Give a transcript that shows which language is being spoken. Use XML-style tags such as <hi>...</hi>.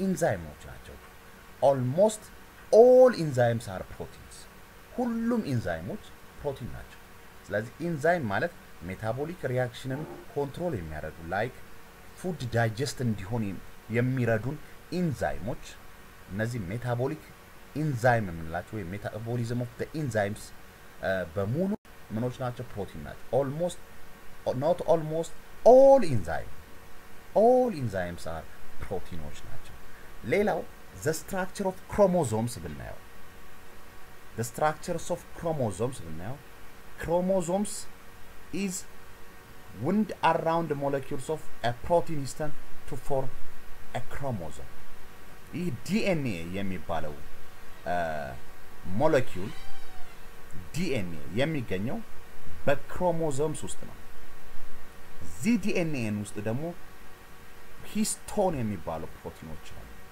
<am>ኢንዛይሞች ናቸው።</am> <en>almost all enzymes are proteins</en> <am>ሁሉም ኢንዛይሞች ፕሮቲን ናቸው። ስለዚህ ኢንዛይም ማለት metabolic reaction-ን ኮንትሮል የሚያደርጉ</am> <en>like food digest</en> <am>እንዲሆን የሚረዱን ኢንዛይሞች እነዚህ metabolic enzyme የምንላቸው ወይ</am> <en>metabolism of the enzymes</en> <am>በሙሉ ምኖች ናቸው? ፕሮቲን ናቸው።</am> <en>almost not almost all enzymes are proteinዎች ናቸው። ሌላው the structure of chromosomes ብናየው the structures of chromosomes ብናየው chromosomes is wound around the molecules of a protein histone to form a chromosome.</en> <am>ይህ DNA የሚባለው molecule DNA የሚገኘው በክሮሞዞምስ ውስጥ ነው። ዚ ዲኤንኤን ውስጥ ደግሞ ሂስቶን የሚባሉ ፕሮቲኖች አሉ።</am>